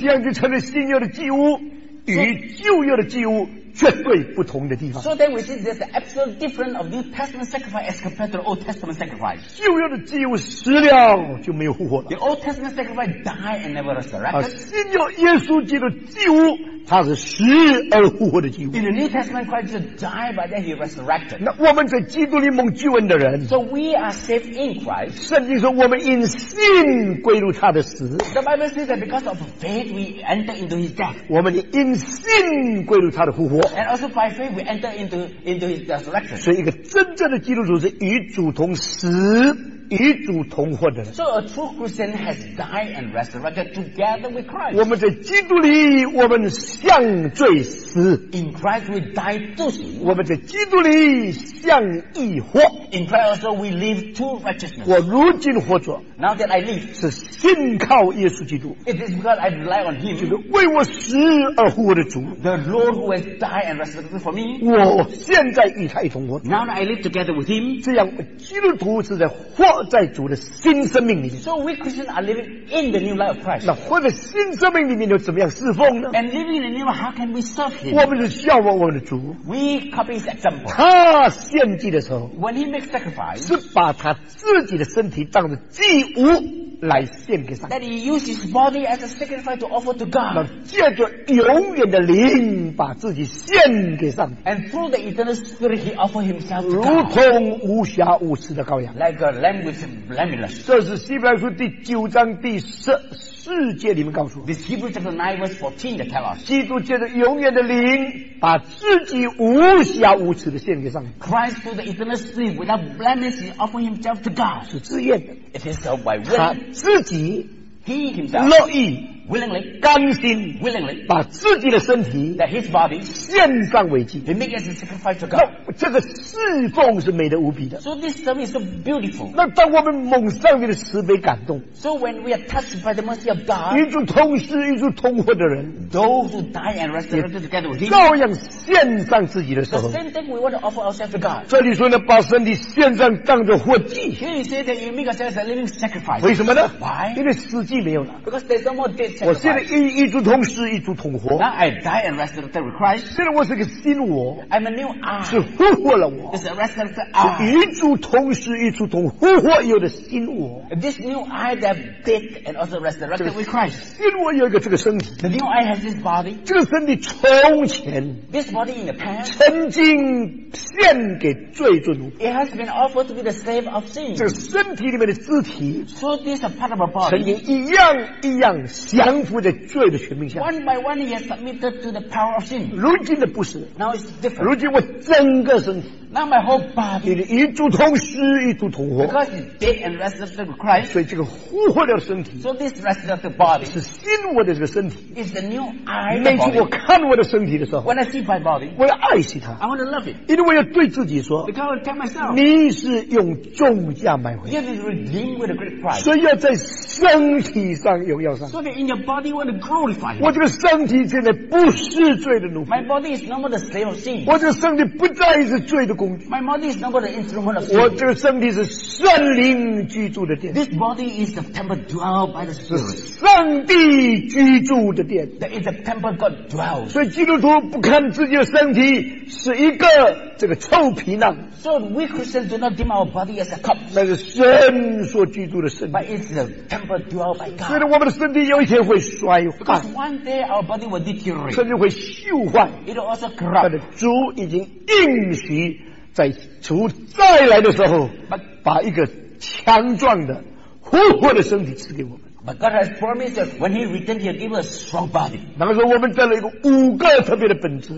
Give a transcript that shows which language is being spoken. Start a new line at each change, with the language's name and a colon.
Chinese: 这样就成了新约的祭物与旧约的祭物绝对不同的地方
English: so then we see there's an absolute difference of New Testament sacrifice as compared to the Old Testament sacrifice
Chinese: 旧约的祭物死了就没有复活了
English: the Old Testament sacrifice died and never resurrected
Chinese: 新约耶稣基督祭物他是死而复活的祭物
English: in the New Testament Christ just died but then he resurrected
Chinese: 那我们在基督里蒙救恩的人
English: so we are saved in Christ
Chinese: 圣经说我们因信归入他的死
English: the Bible says that because of faith we enter into his death
Chinese: 我们因信归入他的复活
English: and also by faith we enter into his resurrection
Chinese: 所以一个真正的基督徒是与主同死与主同活的人
English: So a true Christian has died and resurrected together with Christ
Chinese: 我们在基督里我们向罪死
English: In Christ we die to sin
Chinese: 我们在基督里向义活
English: In Christ also we live to righteousness
Chinese: 我如今活着
English: Now that I live
Chinese: 是信靠耶稣基督
English: It is because I rely on him
Chinese: 就是为我死而活的主
English: The Lord who has died and resurrected for me
Chinese: 我现在与他一同活
English: Now that I live together with him
Chinese: 这样基督徒是在活在主的新生命里面
English: So we Christians are living in the new life of Christ
Chinese: 那活在新生命里面又怎么样侍奉呢
English: And living in the new life how can we serve him
Chinese: 我们是效仿我们的主
English: We copy his example
Chinese: 他献祭的时候
English: When he makes sacrifice
Chinese: 是把他自己的身体当作祭物来献给上帝
English: That he used his body as a sacrifice to offer to God
Chinese: 那借着永远的灵把自己献给上帝
English: And through the eternal spirit he offered himself to God
Chinese: 如同无瑕无疵的羔羊
English: Like a lamb with blemishes
Chinese: 这是希伯来书第九章第十四节里面告诉我
English: This Hebrews chapter 9 verse 14 that tell us
Chinese: 基督借着永远的灵把自己无瑕无疵的献给上帝
English: Christ through the eternal spirit without blemishes he offered himself to God
Chinese: 是自愿的
English: It is by will
Chinese: 他自己
English: He himself
Chinese: 乐意
English: willingly
Chinese: 甘心
English: willingly
Chinese: 把自己的身体
English: that his body
Chinese: 献上为祭
English: they make as a sacrifice to God
Chinese: 那这个侍奉是美得无比的
English: so this service is so beautiful
Chinese: 那当我们蒙上帝的慈悲感动
English: so when we are touched by the mercy of God
Chinese: 与主同死与主同活的人
English: those who die and resurrected together with him
Chinese: 照样献上自己的时候
English: the same thing we want to offer ourselves to God
Chinese: 这里说呢把身体献上当作活祭
English: here you say that you make ourselves a living sacrifice
Chinese: 为什么呢
English: why
Chinese: 因为死祭没有了
English: because there's no more death
Chinese: 我现在与主同死与主同活
English: Now I die and resurrected with Christ
Chinese: 现在我是个新我
English: I'm a new I
Chinese: 是复活了我
English: It's a resurrected I
Chinese: 与主同死与主同复活有的新我
English: This new I that dead and also resurrected with Christ
Chinese: 新我有一个这个身体
English: The new I has this body
Chinese: 这个身体从前
English: This body in the past
Chinese: 曾经献给罪作奴
English: It has been offered to be the slave of sin
Chinese: 这个身体里面的肢体
English: So this is a part of our body
Chinese: 曾经一样一样降服在罪的权柄下
English: one by one he has submitted to the power of sin
Chinese: 如今的不是
English: now it's different
Chinese: 如今我整个身体
English: now my whole body
Chinese: 与主同死与主同活
English: because he's dead and resurrected with Christ
Chinese: 所以这个复活的身体
English: so this resurrected body
Chinese: 是新我的这个身体
English: is the new I
Chinese: 每次我看我的身体的时候
English: when I see my body
Chinese: 我要爱惜它
English: I want to love it
Chinese: 因为我要对自己说
English: because I want to tell myself
Chinese: 你是用重价买回
English: yet it's redeemed with a great price
Chinese: 所以要在身体上荣耀上
English: so that in your body want to glorify him
Chinese: 我这个身体现在不是罪的奴仆
English: my body is no more the slave of sin
Chinese: 我这个身体不再是罪的工工具。
English: My body is not but an instrument of sin.
Chinese: 我这个身体是圣灵居住的殿。
English: This body is the temple dwelt by the Spirit.
Chinese: 上帝居住的殿。
English: That is the temple God dwells.
Chinese: 所以基督徒不看自己的身体是一个这个臭皮囊。
English: So we Christians do not deem our body as a cup.
Chinese: 那是神所居住的身体。
English: But it's the temple dwelt by God.
Chinese: 所以我们的身体有一天会衰坏。
English: Because one day our body will deteriorate.
Chinese: 甚至会锈坏。
English: It'll also corrupt.
Chinese: 但主已经应许在主再来的时候把一个强壮的活活的身体赐给我们。
English: But God has promised us when He returns, He'll give us a strong body.
Chinese: 那么说我们得了一个五个特别的本质。